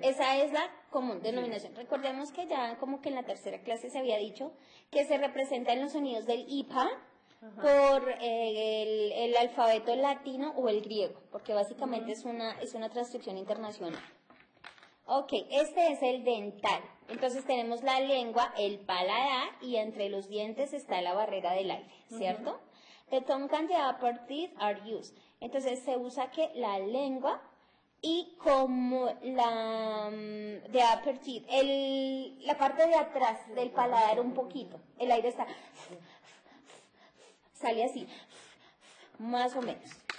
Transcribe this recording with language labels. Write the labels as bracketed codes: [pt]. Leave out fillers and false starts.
[es] Esa es la común denominación. Three. Recordemos que ya como que en la tercera clase se había dicho que se representa en los sonidos del IPA por el alfabeto latino o el griego, porque básicamente es una transcripción internacional. Ok, este es el dental. Entonces tenemos la lengua, el paladar y entre los dientes está la barrera del aire, ¿cierto? [en] The tongue and the upper teeth are used. [es] Entonces se usa que la lengua y como la de upper teeth, la parte de atrás del paladar un poquito, el aire está, sale así, más o menos.